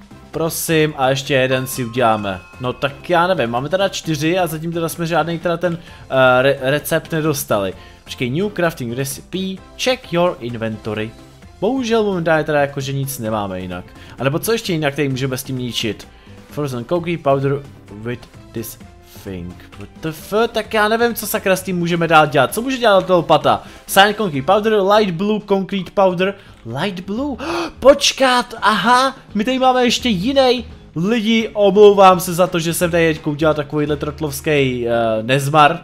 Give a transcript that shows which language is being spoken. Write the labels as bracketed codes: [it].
[cs] Prosím, a ještě jeden si uděláme. No tak já nevím, máme teda čtyři a zatím teda jsme žádný teda ten recept nedostali. [en] Počkej, new crafting recipe, check your inventory. [cs] Bohužel momentálně teda jakože nic nemáme jinak. A nebo co ještě jinak tady můžeme s tím ničit? [en] Frozen concrete powder with this thing. What the fuck? [cs] Tak já nevím, co sakra s tím můžeme dál dělat. Co může dělat toho pata? [en] Sand concrete powder, light blue concrete powder. Light blue? [cs] Počkat, aha, my tady máme ještě jiný. Lidi, omlouvám se za to, že jsem tady teďka udělal takovýhle trotlovský nezmar.